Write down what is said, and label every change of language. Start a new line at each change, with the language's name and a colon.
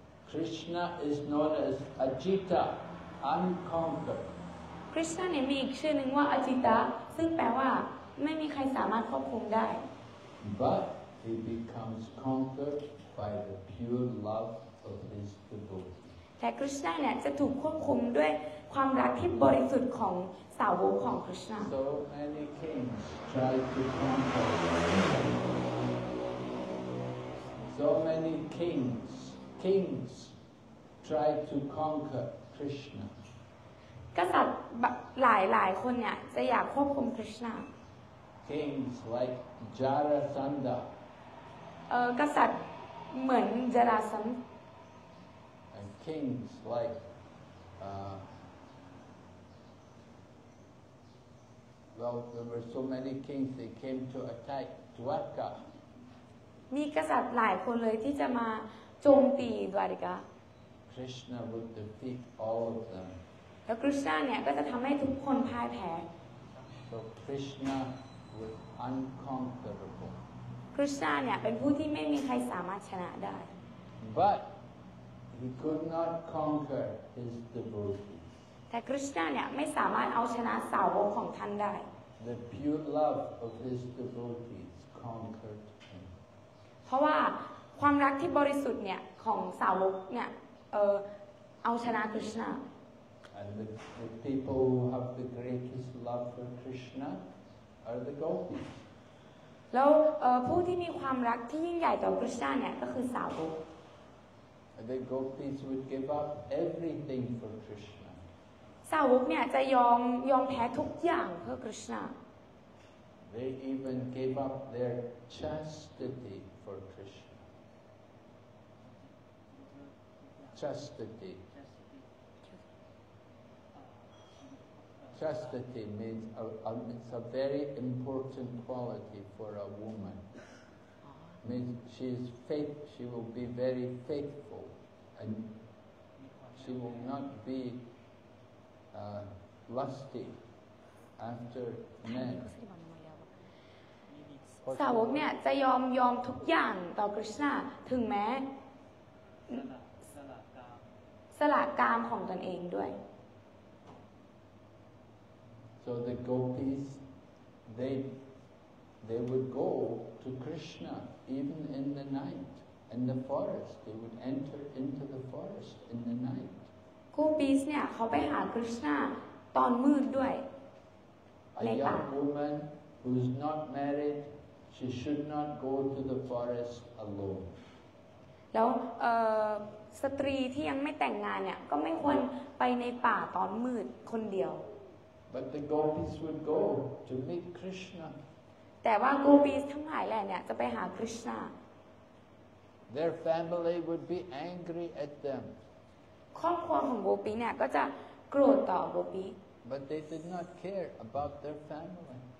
English: Krishna is known as Ajita, unconquered.
Thai: Krishna เนี่ยมีอีกชื่อหนึ่งว่า Ajita, ซึ่งแปลว่าไม่มีใครสามารถควบคุมได้
English: But he becomes conquered by the pure love of his devotee.
Thai: แต่คริสต์เนี่ยจะถูกควบคุมด้วยความรักที่บริสุทธิ์ของสาวกของคริสต์
English: So many kings try to conquer So many kings try to conquer Krishna
Thai: กษัตริย์หลายคนเนี่ยจะอยากควบคุมคริสต์
English: Kings like Jarasandha
Thai: กษัตริย์เหมือนจาราสันธะ
English: Kings like well, there were so many kings. They came to attack Dwarka.
Thai: มีกษัตริย์หลายคนเลยที่จะมาโจมตีดวาริกา
English: Krishna would defeat all of them.
Thai: แล้วคริสต์เนี่ยก็จะทำให้ทุกคนพ่ายแพ้
English: So Krishna was unconquerable.
Thai: คริสต์เนี่ยเป็นผู้ที่ไม่มีใครสามารถชนะได้
English: ButHe could not conquer his devotees.
Thai: แต่คริสต์เนี่ยไม่สามารถเอาชนะสาวกของท่านได้
English: The pure love of his devotees conquered him.
Thai: เพราะว่าความรักที่บริสุทธิ์เนี่ยของสาวกเนี่ยเอาชนะคริสต์
English: And the people who have the greatest love for Krishna are the gopis.
Thai: แล้วผู้ที่มีความรักที่ยิ่งใหญ่ต่อคริสต์เนี่ยก็คือสาวก
English: The gopis would give up everything for Krishna.
Thai: สาวกเนี่ยจะยอมแพ้ทุกอย่างเพื่อคริสต์นา
English: They even gave up their chastity for Krishna. Chastity means it's a very important quality for a woman. Means she is faith. She will be very faithful. And she will not be lusty after men.
Thai: สาวกเนี่ยจะยอมทุกอย่างต่อคริสต์นาถึงแม้สละกามของตนเองด้วย
English: So the gopis, they would go to Krishna even in the night. In the forest, they would enter into the forest in the night.
Thai: Gopis, เนี่ยเขาไปหาคริสต์นาตอนมืดด้วย
English: A young woman who is not married, she should not go to the forest alone.
Thai: แล้วสตรีที่ยังไม่แต่งงานเนี่ยก็ไม่ควรไปในป่าตอนมืดคนเดียว
English: But the gopis would go to meet Krishna.
Thai: แต่ว่า Gopis ทั้งหลายแหละเนี่ยจะไปหาคริสต์นา
English: Their family would be angry at them.
Thai: ครอบครัวของโกปีเนี่ยก็จะโกรธต่อโกปี
English: But they did not care about their family.